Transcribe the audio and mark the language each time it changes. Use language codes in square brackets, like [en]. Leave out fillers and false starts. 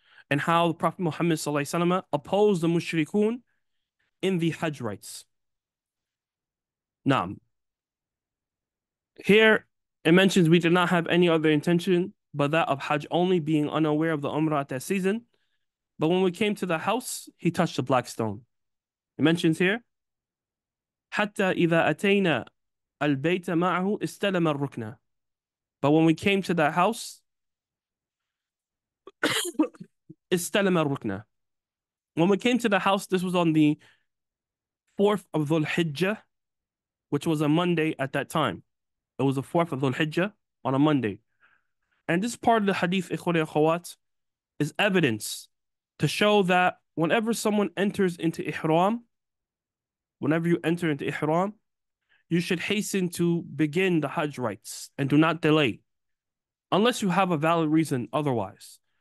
[en] And how the Prophet Muhammad sallallahu alaihi wasallam opposed the mushrikun in the Hajj rites. Naam. Here, It mentions we did not have any other intention but that of Hajj, only being unaware of the Umrah at that season. But when we came to the house, he touched a black stone. It mentions here, [ar] حتى إذا أتينا البيت معه استلم الركنة. [en] But when we came to that house, [ar] استلم الركنة. [en] When we came to the house, this was on the 4th of Dhul Hijjah, which was a Monday at that time. It was the 4th of Dhul Hijjah on a Monday. And this part of the hadith, ikhwani akhawat, is evidence to show that whenever someone enters into ihram, whenever you enter into ihram, you should hasten to begin the Hajj rites and do not delay, unless you have a valid reason otherwise.